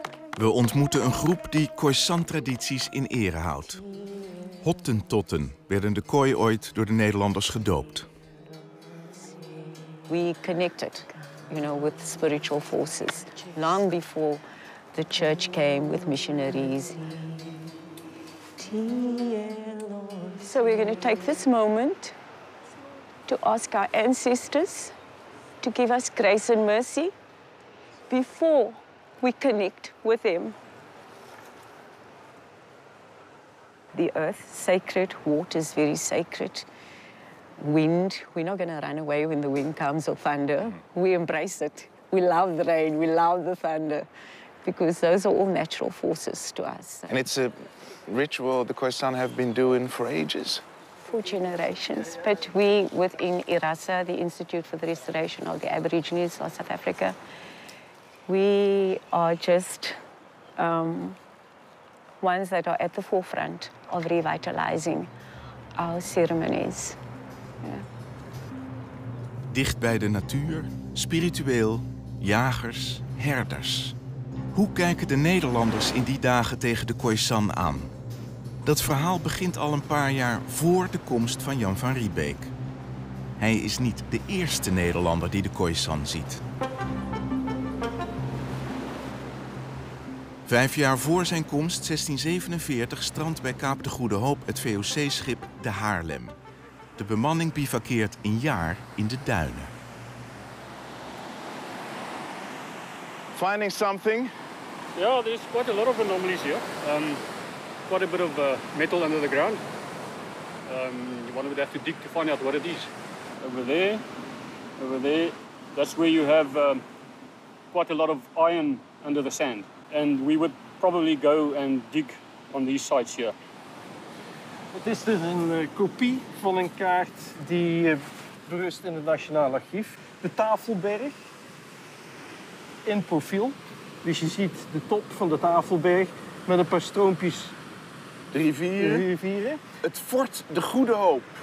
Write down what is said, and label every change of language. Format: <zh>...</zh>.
<nl>We ontmoeten een groep die Khoisan-tradities in ere houdt. Hottentotten werden de Khoi ooit door de Nederlanders gedoopt.</nl> <en>We connected, you know, with spiritual forces long before the church came with missionaries. So we're going to take this moment to ask our ancestors to give us grace and mercy before we connect with them. The earth, sacred, water is very sacred. Wind, we're not gonna run away when the wind comes or thunder. We embrace it. We love the rain, we love the thunder, because those are all natural forces to us. And it's a ritual the Khoisan have been doing for ages. For generations. But we, within IRASA, the Institute for the Restoration of the Aborigines of South Africa, we are just ones that are at the forefront of revitalizing our ceremonies.</en> <nl>Ja. Dicht bij de natuur, spiritueel, jagers, herders. Hoe kijken de Nederlanders in die dagen tegen de Khoisan aan? Dat verhaal begint al een paar jaar voor de komst van Jan van Riebeeck. Hij is niet de eerste Nederlander die de Khoisan ziet. 5 jaar voor zijn komst, 1647, strandt bij Kaap de Goede Hoop het VOC-schip de Haarlem. De bemanning bivakkeert een jaar in de duinen.</nl> <en>Finding something? Yeah, there's quite a lot of anomalies here. Quite a bit of metal under the ground. One would have to dig to find out what it is. Over there, that's where you have quite a lot of iron under the sand. And we would probably go and dig on these sites here.</en> <nl>Het is dus een kopie van een kaart die berust in het Nationaal Archief. De Tafelberg in profiel. Dus je ziet de top van de Tafelberg met een paar stroompjes rivieren. Het fort de Goede Hoop.</nl>